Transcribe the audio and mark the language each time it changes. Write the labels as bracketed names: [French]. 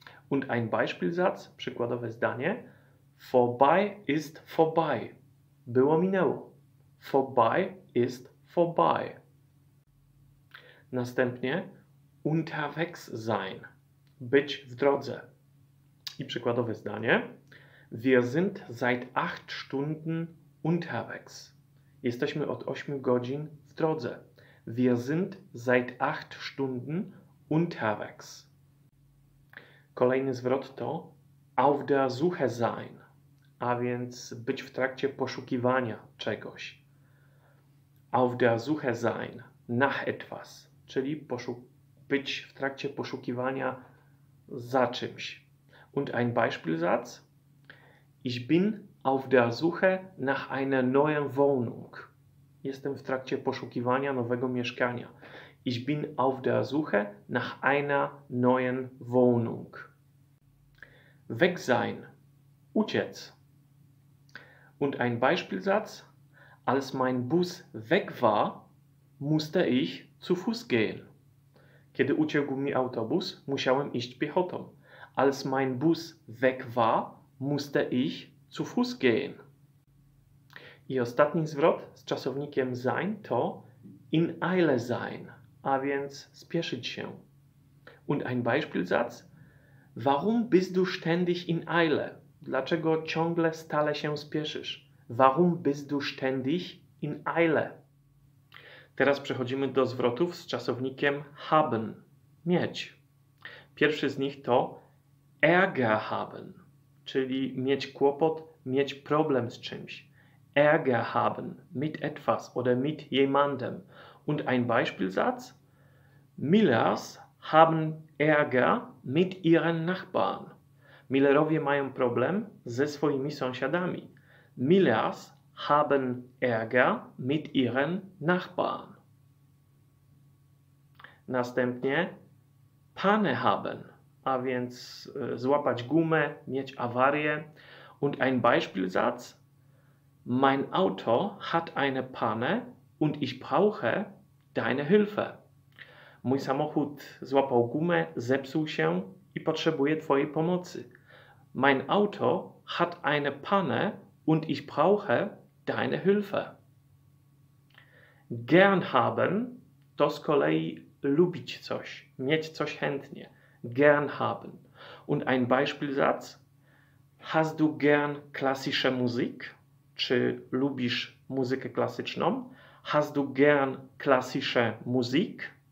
[German] Und ein Beispielsatz, [Polish] przykładowe zdanie. [German] Vorbei ist vorbei. [Polish] Było, minęło. [German] Vorbei ist vorbei. [Polish] Następnie [German] unterwegs sein, [Polish] być w drodze. I przykładowe zdanie. [German] Wir sind seit 8 Stunden unterwegs. [Polish] Jesteśmy od 8 godzin w drodze. [German] Wir sind seit 8 Stunden unterwegs. [Polish] Kolejny zwrot to [German] auf der Suche sein, [Polish] a więc być w trakcie poszukiwania czegoś. [German] Auf der Suche sein, nach etwas, [Polish] czyli być w trakcie poszukiwania za czymś. [German] Und ein Beispielsatz. Ich bin auf der Suche nach einer neuen Wohnung. [Polish] Jestem w trakcie poszukiwania nowego mieszkania. [German] Ich bin auf der Suche nach einer neuen Wohnung. Weg sein. [Polish] Uciec. [German] Und ein Beispielsatz. Als mein Bus weg war, musste ich zu Fuß gehen. [Polish] Kiedy uciekł mi autobus, musiałem iść piechotą. [German] Als mein Bus weg war, musste ich zu Fuß gehen. [Polish] I ostatni zwrot z czasownikiem sein to [German] in Eile sein, [Polish] a więc spieszyć się. [German] Und ein Beispielsatz. Warum bist du ständig in Eile? [Polish] Dlaczego ciągle stale się spieszysz? [German] Warum bist du ständig in Eile? [Polish] Teraz przechodzimy do zwrotów z czasownikiem haben, mieć. Pierwszy z nich to [German] Ärger haben, [Polish] czyli mieć kłopot, mieć problem z czymś. [German] Ärger haben, mit etwas oder mit jemandem. Und ein Beispielsatz. Millers haben Ärger mit ihren Nachbarn. [Polish] Millerowie mają problem ze swoimi sąsiadami. [German] Millers haben Ärger mit ihren Nachbarn. [Polish] Następnie [German] Panne haben, [Polish] a więc złapać gumę, mieć awarię. [German] Und ein Beispielsatz. Mein Auto hat eine Panne und ich brauche deine Hilfe. [Polish] Mój samochód złapał gumę, zepsuł się i potrzebuję twojej pomocy. [German] Mein Auto hat eine Panne und ich brauche deine Hilfe. Gern haben [Polish] to z kolei lubić coś, mieć coś chętnie. [German] Gern haben. Und ein Beispielsatz. Hast du gern klassische Musik? [Polish] Czy lubisz muzykę klasyczną? [German] Hast du gern klassische Musik?